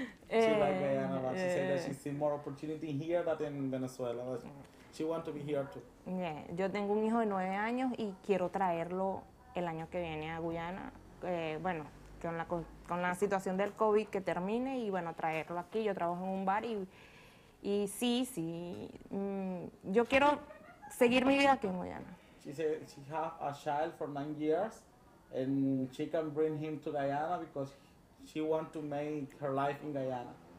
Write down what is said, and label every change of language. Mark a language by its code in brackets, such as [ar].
[en] She likes Guyana, but she said that she sees more opportunity here than in Venezuela. She wants to be here too. [es] Yeah, yo tengo un hijo de 9 años y quiero traerlo el año que viene a Guyana. Bueno, con la situación del COVID que termine y bueno, traerlo aquí. Yo trabajo en un bar y sí. Yo quiero seguir mi vida aquí en Guyana. [en] She said she has a child for 9 years and she can bring him to Guyana because she wants to make her life in Guyana.